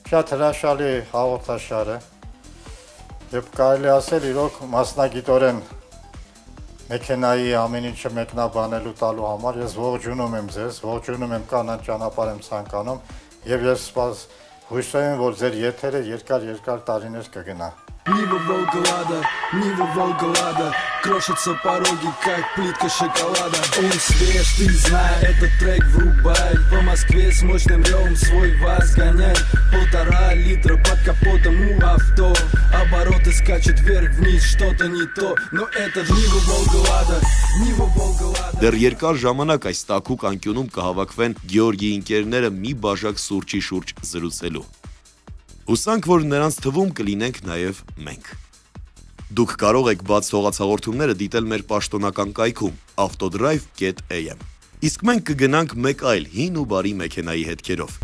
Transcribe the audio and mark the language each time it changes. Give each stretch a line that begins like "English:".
Armenian: Շատ հրաշալի հաղորդաշար է, եպ կարելի ասել իրոք մասնագիտորեն մեքենայի ամեն ինչը մեկնաբանելու տալու համար, ես ողջունում եմ ձեզ, ողջունում եմ կանան ճանապարհ եմ ցանկանում, և ես սպաս հույսով եմ, որ ձեր եթերը երկար-երկար տարիներ կգնա։
Russian: Нива Волгограда, Нива Волгограда, крошатся пороги, как плитка шоколада. Он свеж, ты знай, этот трек врубает. По Москве с мощным ревом свой вас гоняет. Полтора литра под капотом у авто. Обороты скачут вверх-вниз, что-то не то. Но это же Нива Волгограда, Нива Волгограда.
Armenian: Дер երկար ժամանակ այս տակուկ անկյունում կհավաքվեն Գյորգի ընկերները մի բաժակ սուրճի շուրջ զրուցելու։ Ուսանք, որ նրանց թվում կլինենք նաև մենք։ Դուք կարող եք բաց թողած հաղորդումները դիտել մեր պաշտոնական կայքում autodrive.am։ Իսկ մենք կգնանք մեկ այլ հին ու բարի մեքենայի հետքերով։